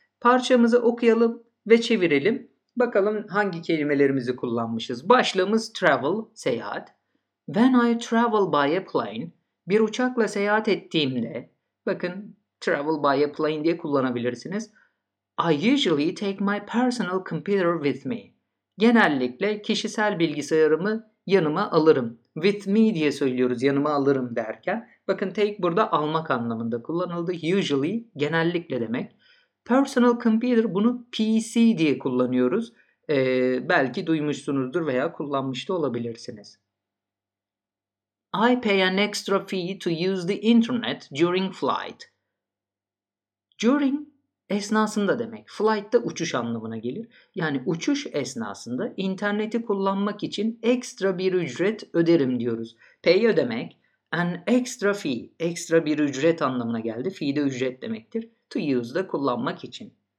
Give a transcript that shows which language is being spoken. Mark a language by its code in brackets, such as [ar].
[tr] Parçamızı okuyalım ve çevirelim. Bakalım hangi kelimelerimizi kullanmışız. Başlığımız travel, seyahat. [en] When I travel by a plane, [tr] bir uçakla seyahat ettiğimde, bakın travel by a plane diye kullanabilirsiniz. [en] I usually take my personal computer with me. [tr] Genellikle kişisel bilgisayarımı yanıma alırım. With me diye söylüyoruz yanıma alırım derken. Bakın take burada almak anlamında kullanıldı. Usually genellikle demek. Personal computer bunu PC diye kullanıyoruz. Belki duymuşsunuzdur veya kullanmış da olabilirsiniz. [en] I pay an extra fee to use the internet during flight. [tr] During esnasında demek. Flight da uçuş anlamına gelir. Yani uçuş esnasında interneti kullanmak için ekstra bir ücret öderim diyoruz. Pay ödemek an extra fee, ekstra bir ücret anlamına geldi. Fee de ücret demektir. To use'da kullanmak için.